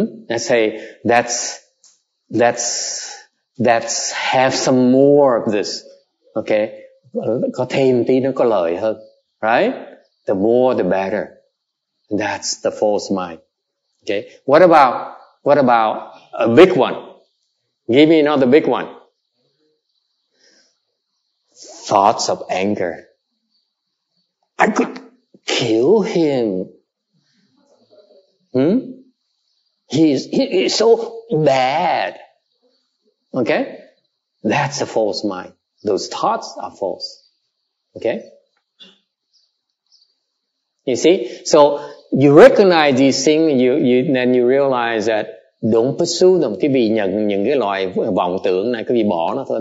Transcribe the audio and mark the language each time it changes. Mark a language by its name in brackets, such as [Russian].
[English] I say that's have some more of this. [Vietnamese] Okay, có thêm tí nó có lợi hơn, right? [English] The more the better. That's the false mind. Okay, what about a big one. Give me another big one. Thoughts of anger. I could kill him. He's so bad. Okay? That's a false mind. Those thoughts are false. Okay? You see? So you recognize these things, you then you realize that don't pursue them. [Vietnamese] Cái vị nhận những cái loại vọng tưởng này, cái vị bỏ nó thôi.